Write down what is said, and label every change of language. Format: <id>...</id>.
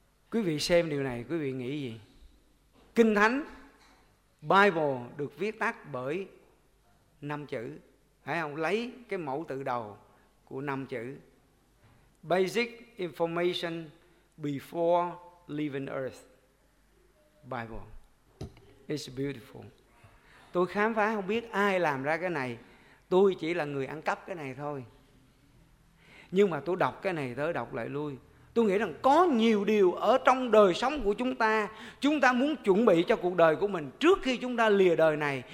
<vi>Quý vị xem điều này, quý vị nghĩ gì? Kinh Thánh, Bible được viết tắt bởi năm chữ, phải không? Lấy cái mẫu từ đầu của năm chữ.</vi> <en>Basic information before leaving earth. Bible. It's beautiful.</en> <vi>Tôi khám phá không biết ai làm ra cái này. Tôi chỉ là người ăn cắp cái này thôi. Nhưng mà tôi đọc cái này tới đọc lại lui. Tôi nghĩ rằng có nhiều điều ở trong đời sống của chúng ta, chúng ta muốn chuẩn bị cho cuộc đời của mình trước khi chúng ta lìa đời này.</vi>